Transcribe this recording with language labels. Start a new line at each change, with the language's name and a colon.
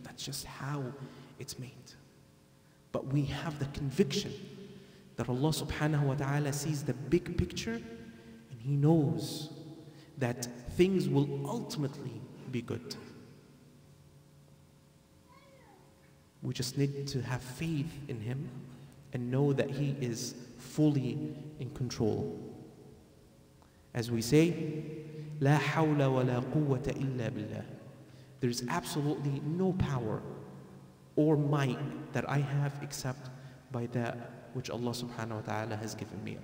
English: That's just how it's made. But we have the conviction that Allah subhanahu wa ta'ala sees the big picture, and He knows that things will ultimately be good. We just need to have faith in Him and know that He is fully in control. As we say,
Arabic: لا حول ولا قوة إلا بالله.
English: There is absolutely no power or might that I have except by that which Allah subhanahu wa ta'ala has given me.